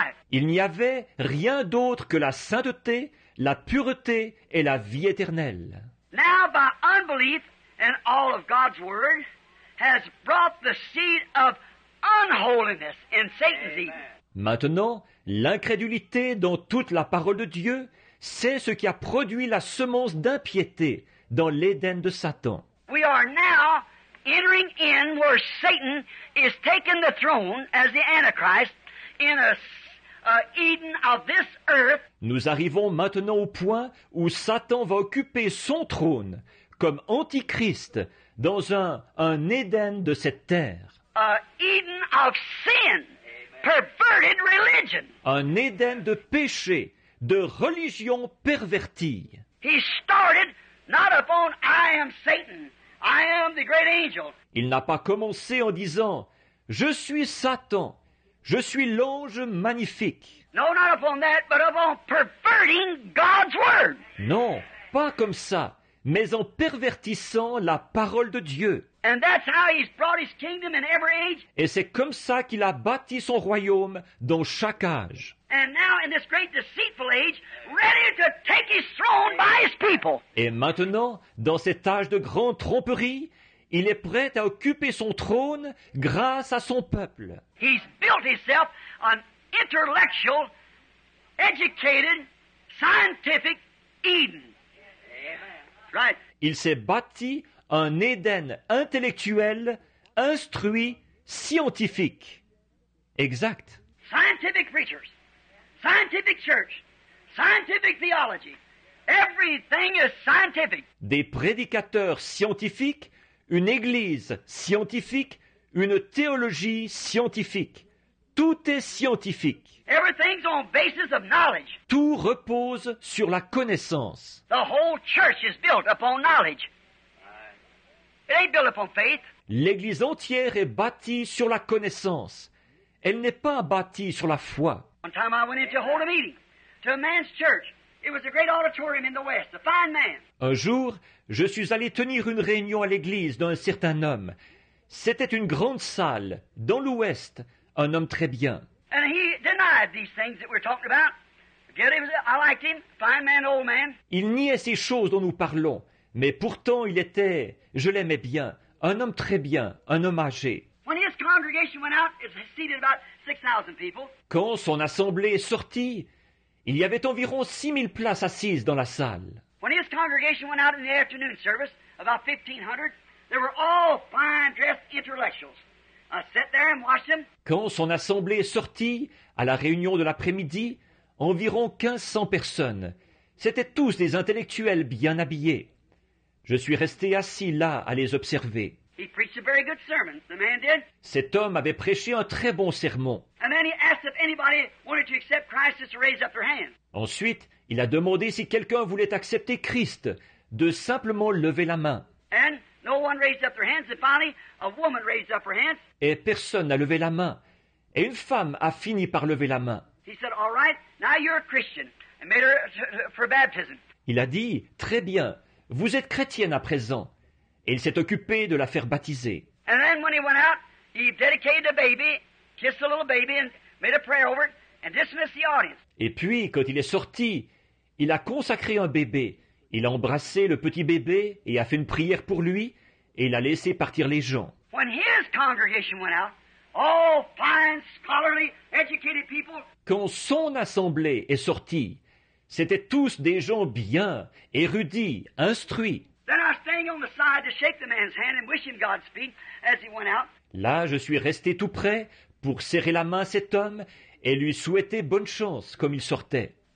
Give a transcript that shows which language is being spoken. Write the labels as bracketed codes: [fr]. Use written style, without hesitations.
[fr] Il n'y avait rien d'autre que la sainteté, la pureté et la vie éternelle. [en] Now, by unbelief and all of God's word has brought the seed of unholiness in Satan's Eden. [fr] Maintenant, l'incrédulité dans toute la parole de Dieu, c'est ce qui a produit la semence d'impiété dans l'Éden de Satan. [en] We are now entering in where Satan is taking the throne as the Antichrist in a Eden of this earth. [fr] Nous arrivons maintenant au point où Satan va occuper son trône comme Antichrist dans un Éden de cette terre. [en] A Eden of sin, perverted religion. [fr] Un Éden de péché, de religion pervertie. [en] He started not upon I am Satan, I am the great angel. [fr] Il n'a pas commencé en disant je suis Satan, je suis l'ange magnifique. [en] No, not upon that, but upon perverting God's word. [fr] Non, pas comme ça, mais en pervertissant la parole de Dieu. [en] And that's how he's brought his kingdom in every age. [fr] Et c'est comme ça qu'il a bâti son royaume dans chaque âge. [en] And now in this great deceitful age, ready to take his throne by his people. [fr] Et maintenant, dans cet âge de grande tromperie, il est prêt à occuper son trône grâce à son peuple. [en] He's built himself an intellectual, educated, scientific Eden. Right. [fr] Il s'est bâti un Éden intellectuel, instruit, scientifique. Exact. [en] Scientific preachers. Scientific church, scientific theology, everything is scientific. [fr] Des prédicateurs scientifiques, une église scientifique, une théologie scientifique. Tout est scientifique. [en] Everything's on basis of knowledge. [fr] Tout repose sur la connaissance. [en] The whole church is built upon knowledge. It ain't built upon faith. [fr] L'église entière est bâtie sur la connaissance. Elle n'est pas bâtie sur la foi. [en] One time I went in to hold a meeting to a man's church. It was a great auditorium in the West, a fine man. [fr] Un jour, je suis allé tenir une réunion à l'église d'un certain homme. C'était une grande salle, dans l'Ouest, un homme très bien. [en] And he denied these things that we're talking about. Yet it was, I liked him, fine man, old man. [fr] Il niait ces choses dont nous parlons, mais pourtant il était, je l'aimais bien, un homme très bien, un homme âgé. [en] When his congregation went out, it was seated about 6,000 people. [fr] Quand son assemblée est sortie, il y avait environ 6,000 places assises dans la salle. [en] When his congregation went out in the afternoon service, about 1,500, they were all fine-dressed intellectuals. I sat there and watched them. [fr] Quand son assemblée est sortie, à la réunion de l'après-midi, environ 1,500 personnes. C'étaient tous des intellectuels bien habillés. Je suis resté assis là à les observer. [en] He preached a very good sermon, the man did. [fr] Cet homme avait prêché un très bon sermon. [en] And then he asked if anybody wanted to accept Christ just to raise up their hand. [fr] Ensuite, il a demandé si quelqu'un voulait accepter Christ, de simplement lever la main. [en] And no one raised up their hands. And finally, a woman raised up her hands. [fr] Et personne n'a levé la main. Et une femme a fini par lever la main. [en] He said, all right, now you're a Christian. And made her for baptism. [fr] Il a dit, très bien, vous êtes chrétienne à présent. Et il s'est occupé de la faire baptiser. [en] And then when he went out, he dedicated the baby, kissed the little baby and made a prayer over it and dismissed the audience. [fr] Et puis quand il est sorti, il a consacré un bébé, il a embrassé le petit bébé et a fait une prière pour lui et il a laissé partir les gens. [en] When his congregation went out, all fine scholarly educated people. [fr] Quand son assemblée est sortie, c'étaient tous des gens bien, érudits, instruits. [en] Then I stayed on the side to shake the man's hand and wish him Godspeed as he went out. [fr] Là, je suis resté tout près pour serrer la main à cet homme et lui souhaiter bonne chance comme il sortait.